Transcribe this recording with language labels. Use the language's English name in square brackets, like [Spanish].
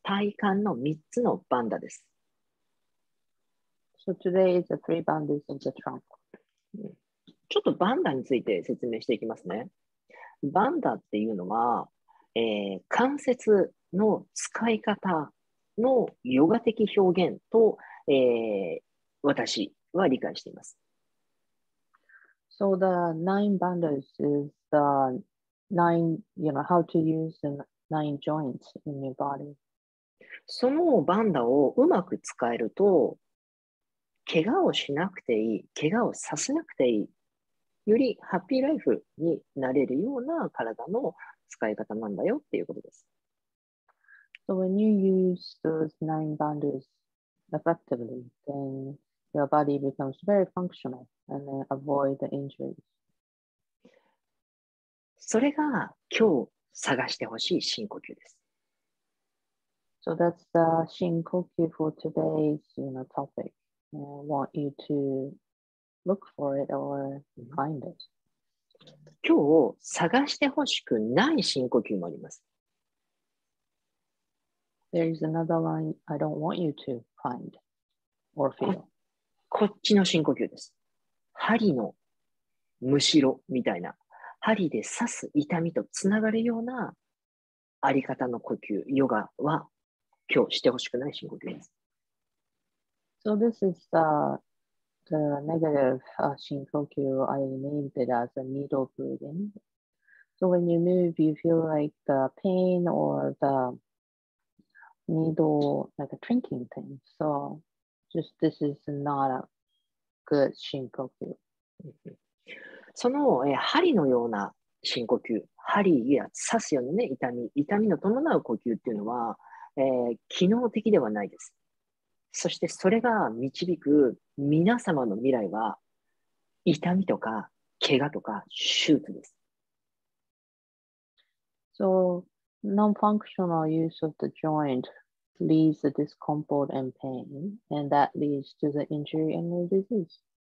[Japanese] 体幹の3つのバンダです。 [English] So today is the three bandhas of the trunk. [Japanese] ちょっとバンダについて説明していきますね。バンダっていうのは、関節の使い方のヨガ的表現と、私は理解しています。 [English] So the nine bandhas is the nine, you know, how to use the nine joints in your body. [Japanese] そのバンダをうまく使えると、怪我をしなくていい、怪我をさせなくていい、よりハッピーライフになれるような体の使い方なんだよっていうことです。 [English] So when you use those nine bandhas effectively, then your body becomes very functional and then avoid the injuries. [Japanese] それが今日探してほしい深呼吸です。 [English] So that's the 深呼吸 for today's, you know, topic. I want you to... Look for it or find it. [Japanese] 今日探してほしくない深呼吸もあります。 [English] There is another one I don't want you to find or feel. [Japanese] こっちの深呼吸です。針のむしろみたいな、針で刺す痛みとつながるようなあり方の呼吸、ヨガは今日してほしくない深呼吸です。 [English] So this is theThe negative 深呼吸, I named it as a needle breathing. So when you move, you feel like the pain or the needle, like a drinking thing. So just this is not a good 深呼吸. [Japanese] その、針のような深呼吸、針や刺すような、ね、痛みの伴う呼吸っていうのは、機能的ではないです。そしてそれが導く皆様の未来は、痛みとか怪我とか手術です。 [English] So, non-functional use of the joint leads to discomfort and pain, and that leads to the injury and the disease.